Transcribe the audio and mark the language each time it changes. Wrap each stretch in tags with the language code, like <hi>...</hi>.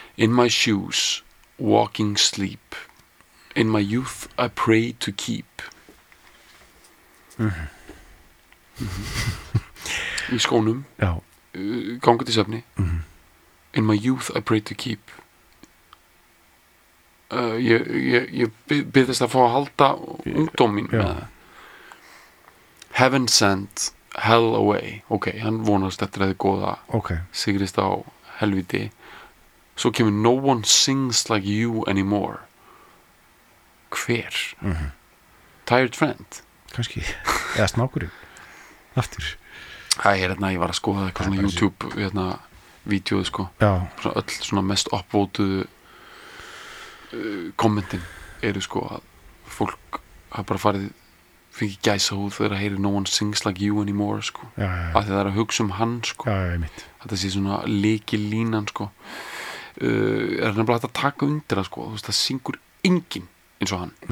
<en>In my shoes, walking sleep. In my youth I pray to keep. Mm-hmm.</en> <is>Í skónum. Já. Gangur til svefni. Mm-hmm.</is> <en>In my youth I pray to keep.</en> <is>Ég byrðist að fá að halda ungdómin.</is> <en>Heaven sent, hell away.</en> <is>Ok, hann vonast eftir að þið góða. Ok. Sigrist á helviti. Svo kemur</is> <en>no one sings like you anymore.</en> <is>Hver</is> <en>tired friend</en> <is>kannski, eða snákurinn aftur ég var að skoða eitthvað svona YouTube hérna, vídeoð sko svo öll svona mest uppvótuð kommentin eru sko að fólk hafa bara farið fengið gæsa húð þegar að heyri</is> <en>no one sings like you anymore</en> <is>sko, að það er að hugsa hann sko, þetta sé svona líkilínan sko er nefnilega hægt að taka undir sko, þú veist, það syngur enginn eins og hann.</is>